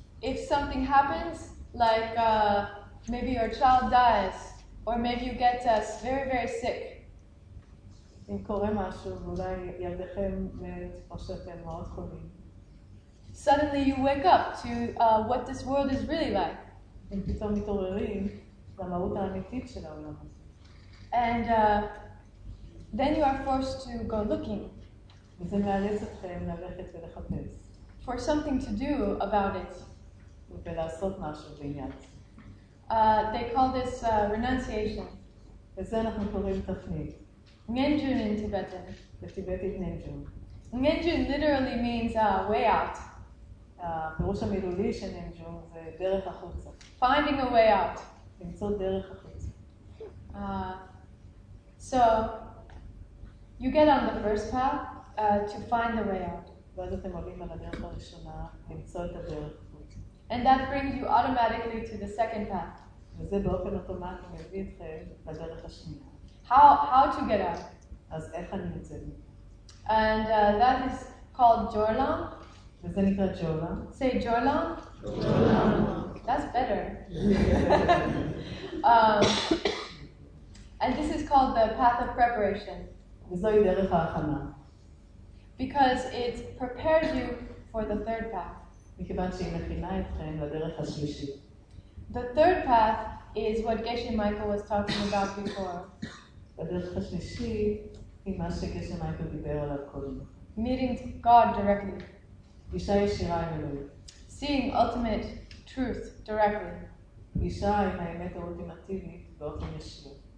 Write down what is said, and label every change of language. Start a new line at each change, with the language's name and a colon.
English: If something happens, like maybe your child dies, or maybe you get very, very sick.
Hebrew: אם קורה משהו, אולי ילדיכם מת, או שאתם מאוד חולים.
English: Suddenly you wake up to what this world is really like.
Hebrew: אם פתאום מתעוררים למהות האמיתית של העולם הזה.
English: And then you are forced to go looking.
Hebrew: וזה מאלץ אתכם ללכת ולחפש.
English: For something to do about it.
Hebrew: ולעשות משהו בעניין.
English: They call this renunciation.
Hebrew: וזה אנחנו קוראים תפנית.
English: Ngenjun in Tibetan.
Hebrew: בטיבטית ngenjun.
English: Ngenjun literally means way out.
Hebrew: הפירוש המילולי של ngenjun זה דרך החוצה.
English: Finding a way out.
Hebrew: למצוא דרך החוצה.
English: So, you get on the first path. To find the way out.
Hebrew: ואז אתם עולים על הדרך הראשונה, למצוא את הדרך.
English: And that brings you automatically to the second path.
Hebrew: וזה באופן אוטומטי מביא אתכם לדרך השנייה.
English: How to get out?
Hebrew: אז איך אני יוצא מפה?
English: And that is called Jorlam.
Hebrew: וזה נקרא Jorlam.
English: Say Jorlam.
Tibetan: Jorlam.
English: That's better. and this is called the path of preparation.
Hebrew: וזוהי דרך ההכנה.
English: Because it prepares you for the third path.
Hebrew: מכיוון שהיא מכינה אתכם לדרך השלישית.
English: The third path is what Geshe Michael was talking about before.
Hebrew: הדרך השלישית היא מה שגשה מייקל דיבר עליו קודם.
English: Meeting God directly.
Hebrew: גישה ישירה עם אלוהים.
English: Seeing ultimate truth directly.
Hebrew: גישה עם האמת האולטימטיבית באופן ישיר.